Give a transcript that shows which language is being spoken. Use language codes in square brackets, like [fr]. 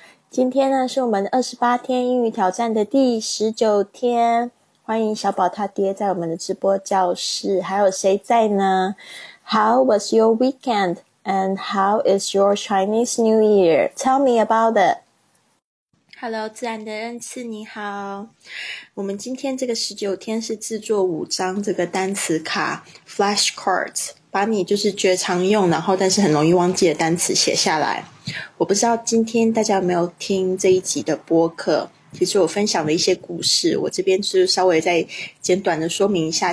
[zh] 今天呢是我们28天英语挑战的第19天。欢迎小宝他爹在我们的直播教室。还有谁在呢？ [en] How was your weekend? And how is your Chinese New Year? Tell me about it. [zh] Hello, 自然的恩赐你好。我们今天这个19天是制作五张这个单词卡 flashcards， 把你就是觉常用然后但是很容易忘记的单词写下来。我不知道今天大家有没有听这一集的播客，其实我分享了一些故事，我这边就稍微再简短的说明一下。